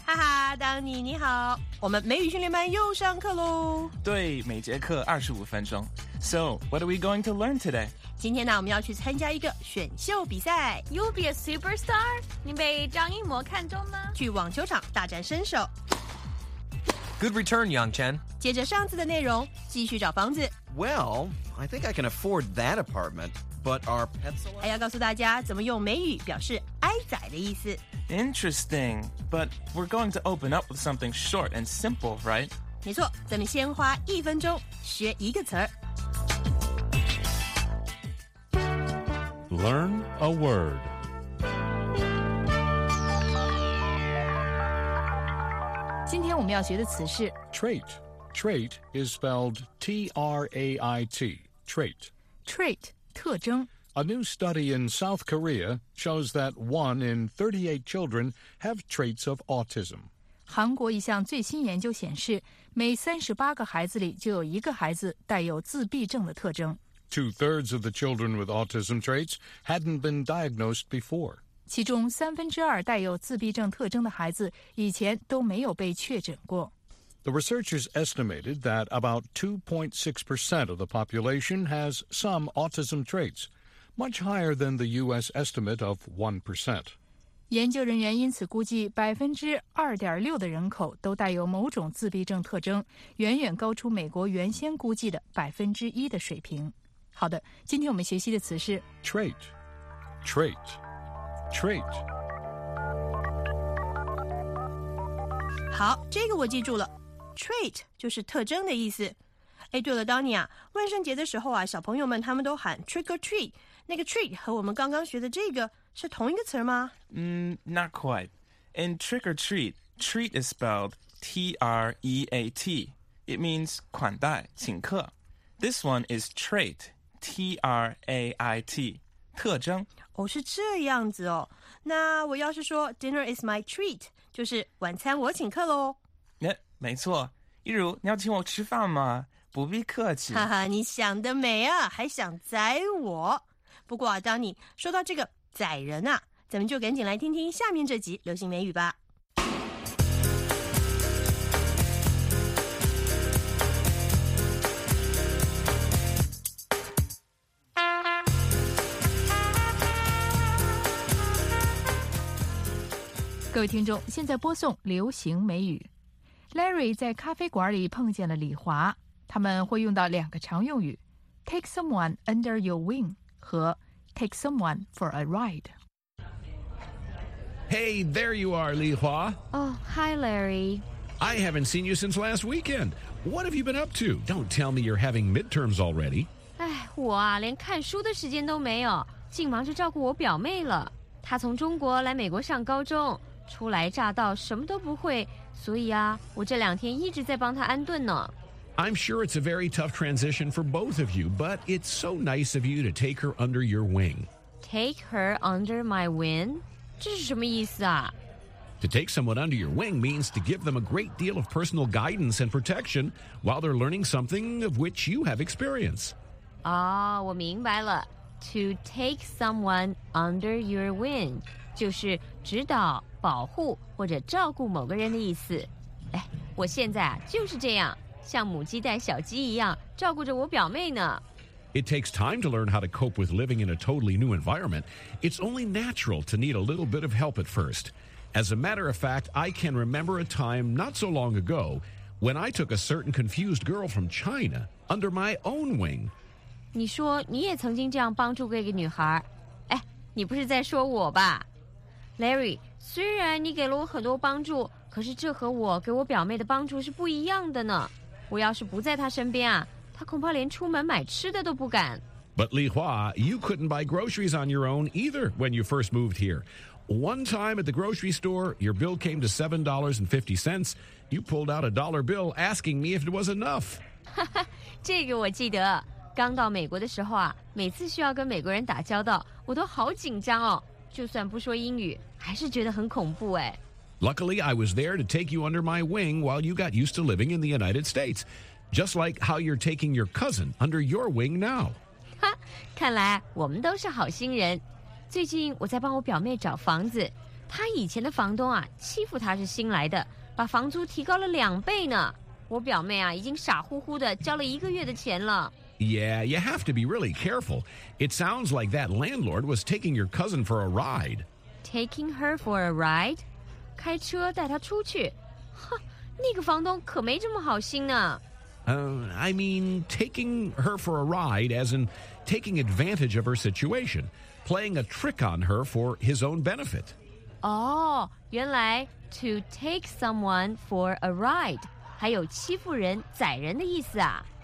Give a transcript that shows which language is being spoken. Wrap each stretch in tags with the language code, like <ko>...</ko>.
<zh>哈哈，当妮你好，我们美语训练班又上课咯。对，每节课25分钟。</zh> <en>So, what are we going to learn today?</en> <zh>今天呢，我们要去参加一个选秀比赛。</zh> <en>You'll be a superstar?</en> <zh>你被张艺谋看中吗？去网球场大展身手。</zh> <en>Good return, Yangchen.</en> <zh>接着上次的内容，继续找房子。</zh> <en>Well, I think I can afford that apartment, but our pets...</en> <zh>还要告诉大家怎么用美语表示哀哉的意思。</zh> <en>Interesting, but we're going to open up with something short and simple, right?</en> <zh>没错，咱们先花一分钟学一个词。</zh> <en>Learn a word.</en> <zh>今天我们要学的词是</zh> <en>trait. Trait is spelled T-R-A-I-T, trait. Trait, 特征。 A new study in South Korea shows that 1 in 38 children have traits of autism.</en> <zh>韩国一项最新研究显示，每38个孩子里就有一个孩子带有自闭症的特征。</zh> <en>2/3 of the children with autism traits hadn't been diagnosed before.</en> <zh>其中2/3带有自闭症特征的孩子以前都没有被确诊过。</zh> <en>The researchers estimated that about 2.6% of the population has some autism traits, much higher than the U.S. estimate of 1%.</en> <zh>研究人员因此估计2.6%的人口都带有某种自闭症特征，远远高出美国原先估计的1%的水平。好的，今天我们学习的词是</zh> <en>trait, trait. Trait.</en> <zh>好，这个我记住了。 Trait 就是特征的意思。哎，对了，Donnie啊，万圣节的时候啊，小朋友们他们都喊</zh> <en>trick or treat。</en> <zh>那个 treat 和我们刚刚学的这个是同一个词吗？</zh> <en>Not quite. In trick or treat, treat is spelled T-R-E-A-T. It means</en> <zh>款待，请客。</zh> <en>This one is trait, T-R-A-I-T. 特征</en> <zh>哦，是这样子哦。那我要是说</zh> <en>Dinner is my treat，</en> <zh>就是晚餐我请客咯。没错，一如你要请我吃饭吗？不必客气。哈哈，你想得美啊，还想宰我。不过啊，当你说到这个宰人啊，咱们就赶紧来听听下面这集流行美语吧。各位听众，现在播送流行美语。 Larry 在咖啡馆里碰见了李华，他们会用到两个常用语</zh> <en>take someone under your wing</en> <zh>和</zh> <en>take someone for a ride。 Hey, there you are, 李华。 Oh, hi, Larry. I haven't seen you since last weekend. What have you been up to? Don't tell me you're having midterms already.</en> <zh>哎，我啊，连看书的时间都没有，竟忙着照顾我表妹了。她从中国来美国上高中，初来乍到，什么都不会，所以啊，我这两天一直在帮他安顿呢。</zh> <en>I'm sure it's a very tough transition for both of you, but it's so nice of you to take her under your wing. Take her under my wing?</en> <zh>这是什么意思啊？</zh> <en>To take someone under your wing means to give them a great deal of personal guidance and protection while they're learning something of which you have experience.</en> <zh>哦，我明白了。</zh> <en>To take someone under your wing</en> <zh>就是指导保护或者照顾某个人的意思。哎，我现在啊就是这样，像母鸡带小鸡一样照顾着我表妹呢。</zh> <en>It takes time to learn how to cope with living in a totally new environment. It's only natural to need a little bit of help at first. As a matter of fact, I can remember a time not so long ago when I took a certain confused girl from China under my own wing.</en> <zh>你说你也曾经这样帮助过一个女孩？哎，你不是在说我吧 ，Larry？虽然你给了我很多帮助，可是这和我给我表妹的帮助是不一样的呢。我要是不在她身边啊，她恐怕连出门买吃的都不敢。</zh> <en>But Li Hua, you couldn't buy groceries on your own either when you first moved here. One time at the grocery store, your bill came to $7.50. You pulled out $1 bill, asking me if it was enough.</en> <zh>这个我记得。刚到美国的时候啊，每次需要跟美国人打交道，我都好紧张哦。就算不说英语，还是觉得很恐怖哎。</zh> <en>Luckily, I was there to take you under my wing while you got used to living in the United States, just like how you're taking your cousin under your wing now.</en> <zh>哈，看来我们都是好心人。最近我在帮我表妹找房子，他以前的房东啊，欺负他是新来的，把房租提高了两倍呢。我表妹啊，已经傻乎乎的交了一个月的钱了。</zh> <en>Yeah, you have to be really careful. It sounds like that landlord was taking your cousin for a ride. Taking her for a ride?</en> <zh>开车带她出去？哼，那个房东可没这么好心呢。</zh> <en>I mean, taking her for a ride as in taking advantage of her situation, playing a trick on her for his own benefit.</en> <zh>Oh, 原来</zh> <en>to take someone for a ride</en> <zh>还有欺负人、宰人的意思啊。</zh>